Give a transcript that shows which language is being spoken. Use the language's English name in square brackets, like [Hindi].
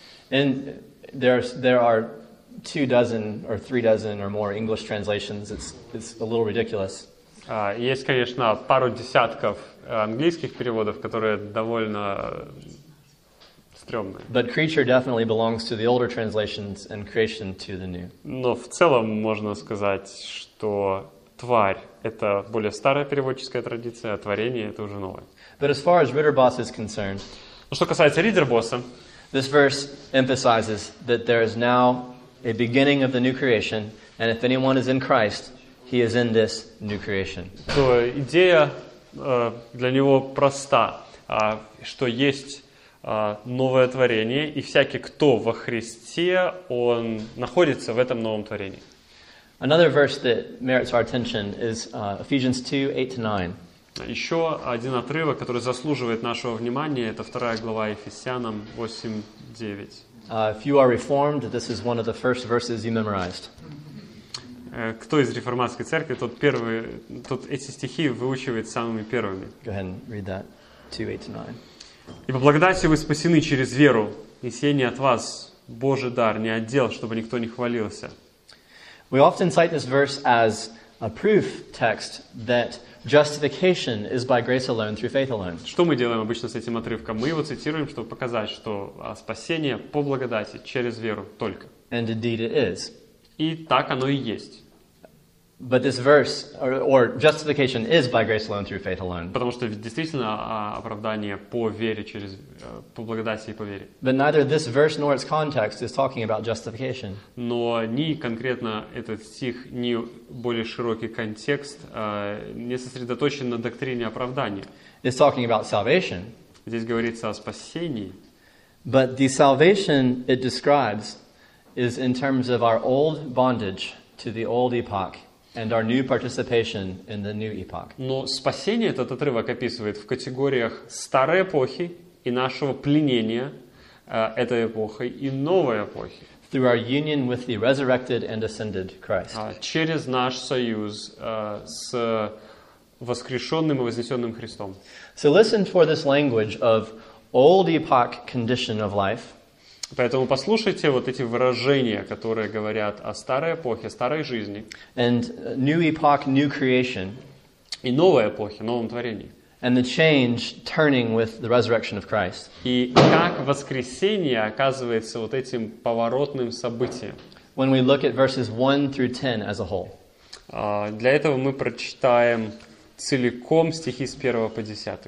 [English] And there are two dozen or three dozen or more English translations. It's a little ridiculous. [Russian] Есть, конечно, пару десятков английских переводов, которые довольно [English] But creature definitely belongs to the older translations and creation to the new. [Russian] Но в целом можно сказать, что тварь — это более старая переводческая традиция, а творение — это уже новое. [English] But as far as ReaderBoss is concerned, [Russian] что касается ReaderBoss'а, [English] this verse emphasizes that there is now a beginning of the new creation, and if anyone is in Christ, he is in this new creation. [Russian] То идея для него проста, что есть новое творение, и всякий, кто во Христе, он находится в этом новом творении. [English] Another verse that merits our attention is Ephesians 2, 8-9. [Russian] Еще один отрывок, который заслуживает нашего внимания, это 2 глава Ефесянам 8-9. [English] If you are reformed, this is one of the first verses you memorized. [Russian] Кто из реформатской церкви, тот эти стихи выучивает самыми первыми. [English] Go ahead and read that. 2, 8-9. [Russian] Ибо благодатью вы спасены через веру, и сие не от вас, Божий дар, не от дел, чтобы никто не хвалился. [English] We often cite this verse as a proof text that justification is by grace alone through faith alone. [Russian] Что мы делаем обычно с этим отрывком? Мы его цитируем, чтобы показать, что спасение по благодати через веру только. [English] And indeed it is. [Russian] И так оно и есть. [English] But this verse, or justification, is by grace alone through faith alone. [Russian] Потому что действительно оправдание по вере через по благодати и по вере. [English] But neither this verse nor its context is talking about justification. [Russian] Но ни конкретно этот стих, ни более широкий контекст не сосредоточен на доктрине оправдания. [English] It's talking about salvation. [Russian] Здесь говорится о спасении. [English] But the salvation it describes is in terms of our old bondage to the old epoch. And our new participation in the new epoch. [Russian] Но спасение этот отрывок описывает в категориях старой эпохи и нашего пленения этой эпохой и новой эпохи. [English] through our union with the resurrected and ascended Christ. [Russian] Через наш союз с воскрешенным и вознесенным Христом. [English] So listen for this language of old epoch condition of life. [Russian] Поэтому послушайте вот эти выражения, которые говорят о старой эпохе, старой жизни. [English] And new epoch, new creation. [Russian] И новой эпохе, новом творении. [English] And the change turning with the resurrection of Christ. [Russian] И как воскресение оказывается вот этим поворотным событием. [English] When we look at verses 1 through 10 as a whole. [Russian] Для этого мы прочитаем целиком стихи с 1 по 10.